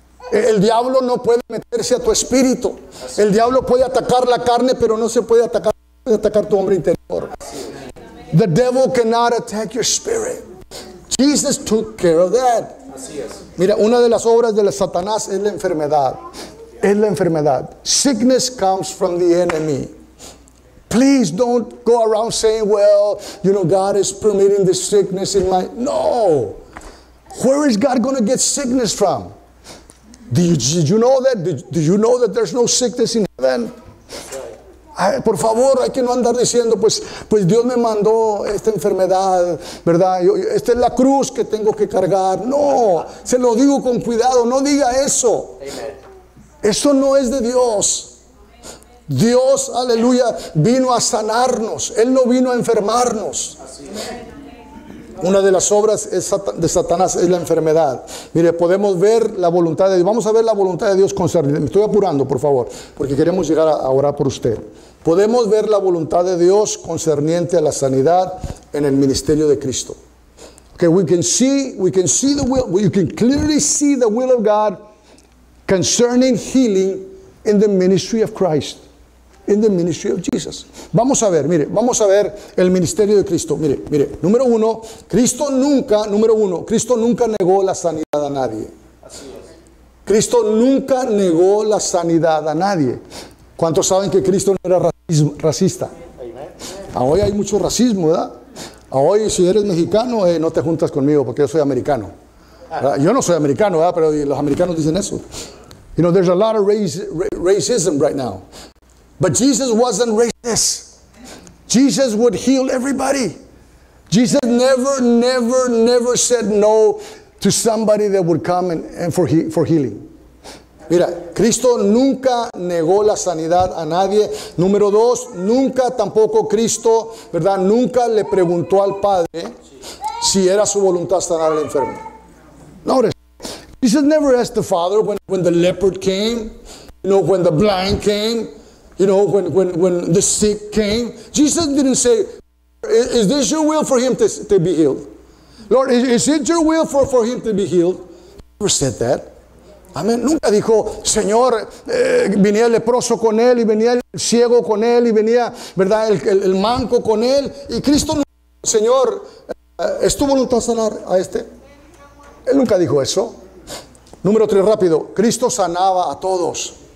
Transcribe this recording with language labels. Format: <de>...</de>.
<es>El diablo no puede meterse a tu espíritu. El diablo puede atacar la carne, pero no se puede atacar tu hombre interior.</es> <en>The devil cannot attack your spirit. Jesus took care of that.</en> <es>Así es. Mira, una de las obras de la Satanás es la enfermedad. Es la enfermedad.</es> <en>Sickness comes from the enemy. Please don't go around saying, well, you know, God is permitting this sickness in my... No. Where is God going to get sickness from? Did you know that? Do you know that there's no sickness in heaven?</en> <es>Por favor, hay que no andar diciendo, pues Dios me mandó esta enfermedad, ¿verdad? Esta es la cruz que tengo que cargar. No. Se lo digo con cuidado. No diga eso. Amen. Eso no es de Dios. Dios, aleluya, vino a sanarnos. Él no vino a enfermarnos. Una de las obras de Satanás es la enfermedad. Mire, podemos ver la voluntad de Dios. Vamos a ver la voluntad de Dios concernida. Me estoy apurando, por favor, porque queremos llegar a orar por usted. Podemos ver la voluntad de Dios concerniente a la sanidad en el ministerio de Cristo.</es> <en>Okay, we can see the will. You can clearly see the will of God concerning healing in the ministry of Christ, in the ministry of Jesus.</en> <es>Vamos a ver el ministerio de Cristo. Mire, número uno, Cristo nunca negó la sanidad a nadie. Cristo nunca negó la sanidad a nadie. ¿Cuántos saben que Cristo no era racista? Hoy hay mucho racismo, ¿verdad? Hoy, si eres mexicano, no te juntas conmigo porque yo soy americano. Yo no soy americano, ¿verdad? Pero los americanos dicen eso.</es> <en>You know, there's a lot of racism right now. But Jesus wasn't racist. Jesus would heal everybody. Jesus never said no to somebody that would come and for healing.</en> <es>Mira, Cristo nunca negó la sanidad a nadie. Número dos, nunca tampoco Cristo, ¿verdad?, nunca le preguntó al Padre si era su voluntad sanar al enfermo.</es> <en>Notice. Jesus never asked the Father when the leopard came, you know, when the blind came. You know, when the sick came, Jesus didn't say, is this your will for him to be healed? Lord, is it your will for him to be healed? He never said that. Amen.</en> <es>Nunca dijo, Señor, venía el leproso con él, y venía el ciego con él, y venía, ¿verdad?, el manco con él. Y Cristo nunca dijo, Señor, ¿es tu voluntad sanar a este? Él nunca dijo eso. Número tres, rápido. Cristo sanaba a todos.</es>